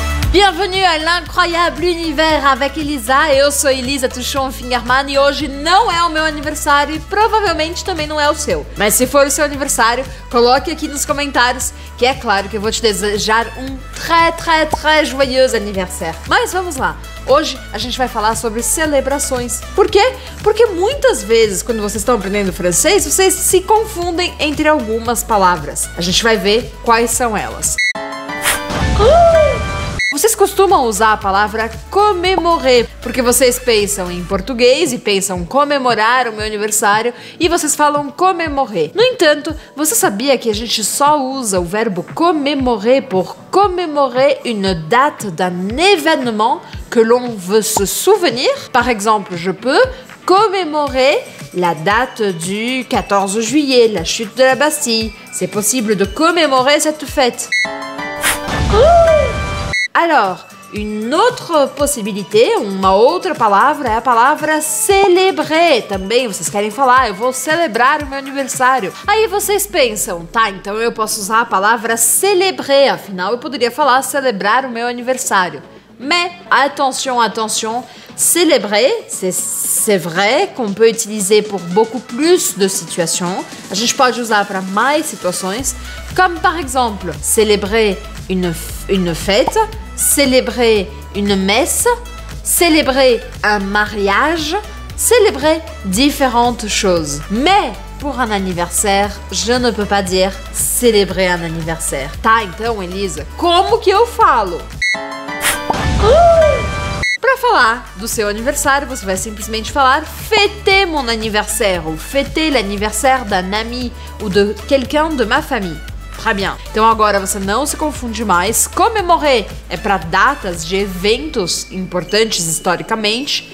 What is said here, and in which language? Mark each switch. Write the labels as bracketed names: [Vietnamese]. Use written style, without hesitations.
[French] Bienvenue à l'incroyable univers avec Elisa. [Portuguese] Eu sou Elisa Tuchon-Fingerman e hoje não é o meu aniversário e provavelmente também não é o seu. Mas se for o seu aniversário, coloque aqui nos comentários que é claro que eu vou te desejar um [French] très, très, très joyeux anniversaire. [Portuguese] Mas vamos lá. Hoje a gente vai falar sobre celebrações. Por quê? Porque muitas vezes, quando vocês estão aprendendo francês, vocês se confundem entre algumas palavras. A gente vai ver quais são elas. Vocês costumam usar a palavra comemorer, porque vocês pensam em português e pensam comemorar o meu aniversário e vocês falam comemorer. No entanto, você sabia que a gente só usa o verbo comemorer por comemorer [French] une date d'un événement que l'on veut se souvenir? Par exemple, je peux commémorer la date du 14 juillet, la chute de la Bastille. C'est possible de commémorer cette fête. Alors, une autre possibilité, [Portuguese] uma outra palavra, é a palavra célébrer. Também vocês querem falar, eu vou celebrar o meu aniversário. Aí vocês pensam, tá, então eu posso usar a palavra célébrer, afinal eu poderia falar celebrar o meu aniversário. [French] Mais, attention, attention, célébrer, c'est vrai qu'on peut utiliser pour beaucoup plus de situations. [Portuguese] A gente pode usar para mais situações, [French] comme par exemple, célébrer une fête, célébrer une messe, célébrer un mariage, célébrer différentes choses. Mais pour un anniversaire, je ne peux pas dire célébrer un anniversaire. [Portuguese] Tá, então, Elisa, como que eu falo? Pra falar do seu aniversário, você vai simplesmente falar [French] fêter mon anniversaire ou fêter l'anniversaire d'un ami ou de quelqu'un de ma famille. Très bien. [Portuguese] Então agora você não se confunde mais. Comemorer é para datas de eventos importantes historicamente.